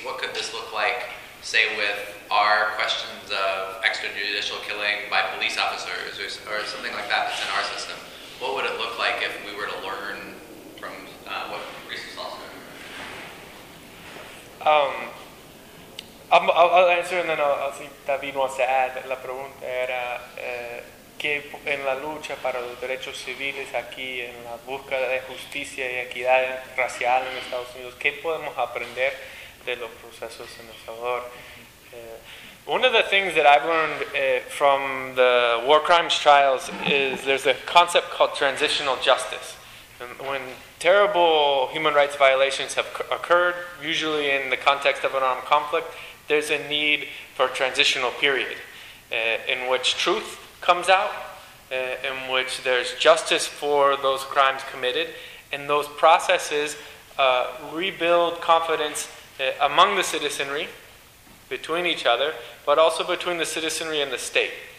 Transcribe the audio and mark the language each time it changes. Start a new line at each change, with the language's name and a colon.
English: What could this look like, say, with our questions of extrajudicial killing by police officers or something like that that's in our system? What would it look like if we were to learn from what Reese was also doing? I'll answer, and then I'll see if David wants to add.
Spanish: La pregunta era, que en la lucha para los derechos civiles aquí, en la búsqueda de justicia y equidad racial en Estados Unidos, ¿qué podemos aprender de los procesos en El Salvador?
English: One of the things that I've learned from the war crimes trials is there's a concept called transitional justice. When terrible human rights violations have occurred, usually in the context of an armed conflict, there's a need for a transitional period in which truth comes out, in which there's justice for those crimes committed, and those processes rebuild confidence among the citizenry, between each other, but also between the citizenry and the state.